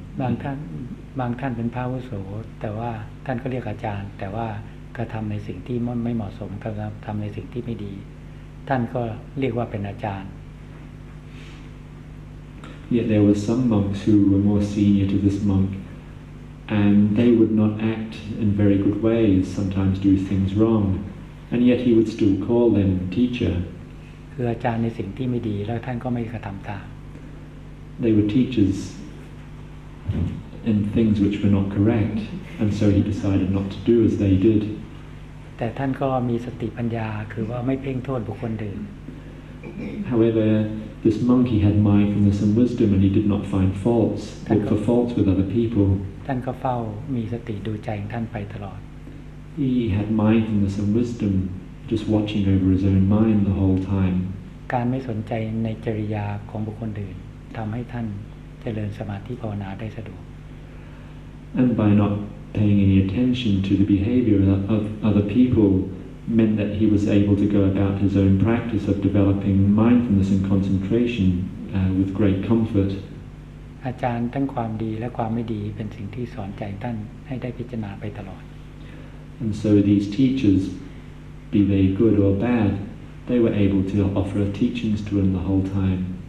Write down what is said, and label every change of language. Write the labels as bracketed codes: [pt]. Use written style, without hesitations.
[th] บางท่านเป็นพระอาวุโสแต่ว่าท่านก็เรียกอาจารย์แต่ว่ากระทำในสิ่งที่ไม่เหมาะสมทำในสิ่งที่ไม่ดีท่านก็เรียกว่าเป็นอาจารย์ [en] Yet there were some monks who were more senior to this monk and they would not act in very good ways sometimes do things wrong and yet he would still call them teacher [th] คืออาจารย์ในสิ่งที่ไม่ดีแล้วท่านก็ไม่กระทำตาม [en] They were teachers in things which were not correct and so he decided not to do as they did [th] แต่ท่านก็มีสติปัญญาคือว่าไม่เพ่งโทษบุคคลอื่น [en] However this monk he had mindfulness and wisdom and he did not find faults look for faults with other people [th] ท่านก็เฝ้ามีสติดูใจของท่านไปตลอด [en] He had mindfulness and wisdom just watching over his own mind the whole time [th] การไม่สนใจในจริยาของบุคคลอื่นทำให้ท่านเจริญสมาธิภาวนาได้สะดวก [en] And by not paying any attention to the behavior of other people meant that he was able to go about his own practice of developing mindfulness and concentration with great comfort. [th] อาจารย์ทั้งความดีและความไม่ดีเป็นสิ่งที่สอนใจท่านให้ได้พิจารณาไปตลอด [en] And so these teachers, be they good or bad, they were able to offer teachings to him the whole time.